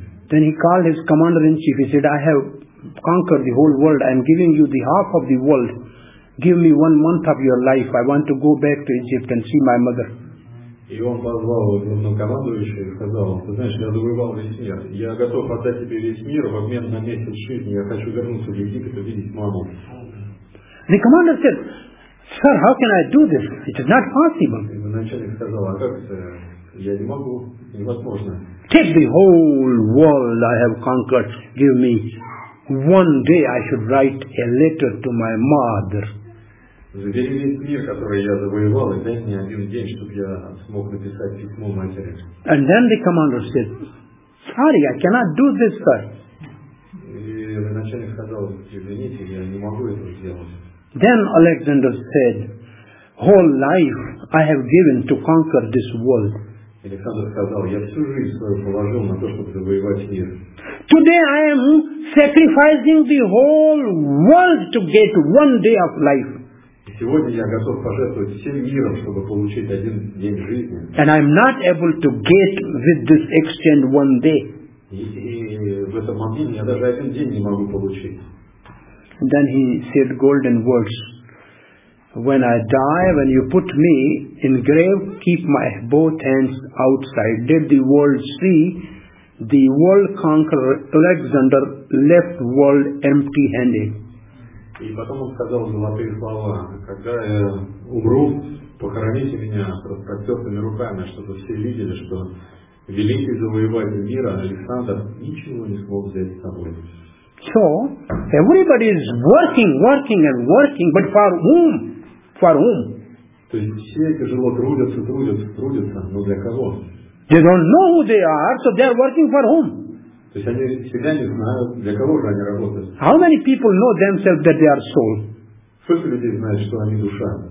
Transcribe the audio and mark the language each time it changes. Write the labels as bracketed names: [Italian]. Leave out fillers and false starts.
[English] Then he called his commander-in-chief. He said, I have conquered the whole world. I am giving you the half of the world. Give me 1 month of your life. I want to go back to Egypt and see my mother. [Russian] И он позвал главнокомандующего и сказал, ты знаешь, я завоевал весь мир. Я готов отдать тебе весь мир в обмен на месяц жизни. Я хочу вернуться в Египет и видеть маму. [English] The commander said, sir, how can I do this? It is not possible. [Russian] И начальник сказал, а как это? Я не могу. Невозможно. [English] Take the whole world I have conquered. Give me one day I should write a letter to my mother. [Russian] Забери весь мир, который я завоевал, и дай мне один день, чтобы я смог написать письмо матери. [English] And then the commander said, sorry, I cannot do this, sir. [Russian] И начальник сказал, извините, я не могу это сделать. [English] Then Alexander said, whole life I have given to conquer this world. [Russian] Александр сказал, я всю жизнь свою положил на то, чтобы завоевать мир. [English] Today I am sacrificing the whole world to get one day of life. [Russian] Сегодня я готов пожертвовать всем миром, чтобы получить один день жизни. [English] And I'm not able to get with this exchange one day. [Russian] И в этом моменте я даже один день не могу получить. [English] And then he said golden words. When I die, when you put me in grave, keep my both hands outside. Did the world see the world conqueror Alexander left world empty handed? [Russian] И потом он сказал золотые слова: когда я умру, похороните меня с распростертыми руками, чтобы все видели, что великий завоеватель мира Александр ничего не смог взять с собой. [English] So everybody is working, but for whom? For whom? [Russian] То есть все тяжело трудятся, но для кого? [English] They don't know who they are, so they are working for whom? [Russian] То есть они себя не знают, для кого же они работают? [English] How many people know themselves that they are soul? [Russian] Сколько людей знают, что они душа?